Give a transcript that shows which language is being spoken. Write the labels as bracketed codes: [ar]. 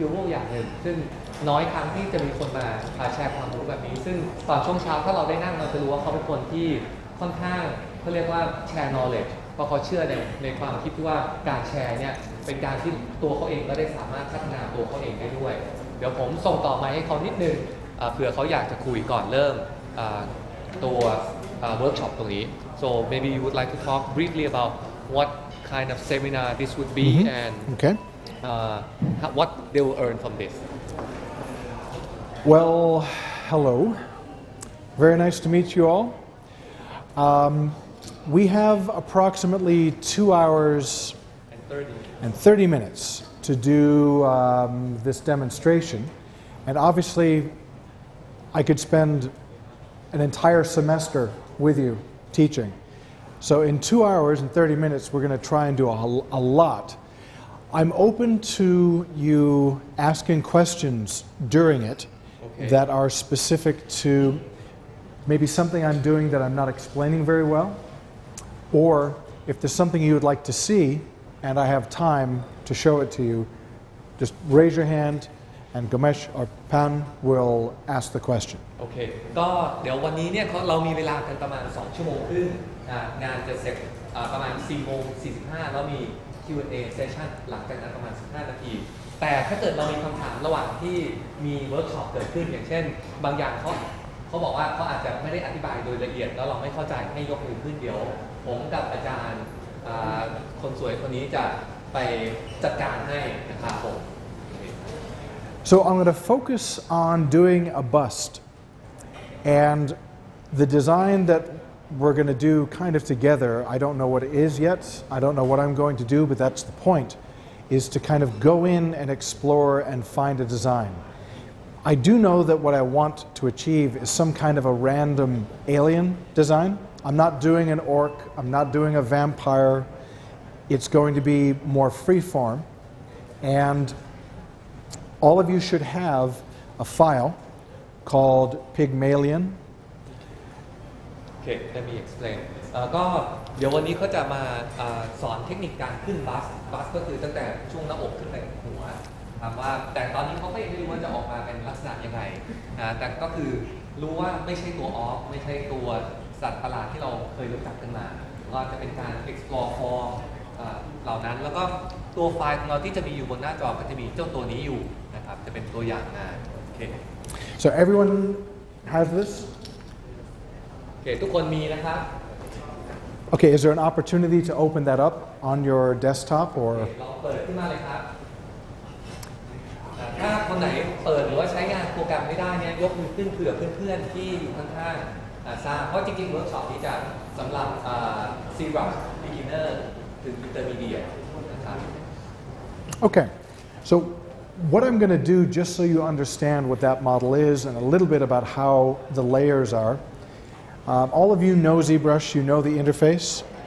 [th] อย่างหนึ่งซึ่งน้อยครั้งที่จะมีคนมาแชร์ความรู้แบบนี้ซึ่งตอนช่วงเช้าถ้าเราได้นั่งเราจะรู้ว่าเขาเป็นคนที่ค่อนข้างเขาเรียกว่าแชร์ knowledge เพราะเขาเชื่อในความคิดที่ว่าการแชร์เนี่ยเป็นการที่ตัวเขาเองก็ได้สามารถพัฒนาตัวเขาเองได้ด้วยเดี๋ยวผมส่งต่อมาให้เขานิดนึงเผื่อเขาอยากจะคุยก่อนเริ่มตัวเวิร์กช็อปตรงนี้ [en] so maybe you would like to talk briefly about what kind of seminar this would be and okay what they will earn from this Well, hello. Very nice to meet you all. We have approximately 2 hours and 30 minutes to do this demonstration. And obviously, I could spend an entire semester with you teaching. So in 2 hours and 30 minutes, we're going to try and do a lot. I'm open to you asking questions during it. Okay. That are specific to maybe something I'm doing that I'm not explaining very well, or if there's something you would like to see and I have time to show it to you, just raise your hand and Gomesh or Pan will ask the question. [th] Okay, ก็เดี๋ยววันนี้เนี่ยเรามีเวลากันประมาณ2ชั่วโมงครึ่งงานจะเสร็จประมาณ 4:45 แล้วมี Q&A session หลังจากนั้นประมาณ15นาทีแต่ถ้าเกิดเรามีคำถามระหว่างที่มีเวิร์กช็อปเกิดขึ้นอย่างเช่นบางอย่างเขาบอกว่าเขาอาจจะไม่ได้อธิบายโดยละเอียดแล้วเราไม่เข้าใจให้ยกมือขึ้นเดี๋ยวผมกับอาจารย์คนสวยคนนี้จะไปจัดการให้นะครับผม [en] So I'm going to focus on doing a bust and the design thatWe're going to do kind of together. I don't know what it is yet. I don't know what I'm going to do, but that's the point, is to kind of go in and explore and find a design. I do know that what I want to achieve is some kind of a random alien design. I'm not doing an orc. I'm not doing a vampire. It's going to be more freeform. And all of you should have a file called Pygmalion. [th] โอเค [en] let me explain [th] ก็เดี๋ยววันนี้เขาจะมาสอนเทคนิคการขึ้นบัสก็คือตั้งแต่ช่วงหน้าอกขึ้นไปหัวถามว่าแต่ตอนนี้เขาไม่รู้ว่าจะออกมาเป็นลักษณะยังไงแต่ก็คือรู้ว่าไม่ใช่ตัวออฟไม่ใช่ตัวสัตว์ประหลาดที่เราเคยรู้จักกันมาก็จะเป็นการ explore form เหล่านั้นแล้วก็ตัวไฟล์ของเราที่จะมีอยู่บนหน้าจอก็จะมีเจ้าตัวนี้อยู่นะครับจะเป็นตัวอย่างงานโอเค [en] so everyone has this [th] โอเคทุกคนมีนะครับ [en] โอเค is there an opportunity to open that up on your desktop or [th] เปิดขึ้นมาเลยครับถ้าคนไหนเปิดหรือว่าใช้งานโปรแกรมไม่ได้เนี่ยยกมือขึ้นเผื่อเพื่อนๆที่อยู่ข้างๆทราบเพราะจริงๆเวิร์กช็อปนี้จะสำหรับC++ beginner ถึง intermediate นะครับ [en] โอเค so what I'm going to do just so you understand what that model is and a little bit about how the layers areall of you know ZBrush, you know the interface?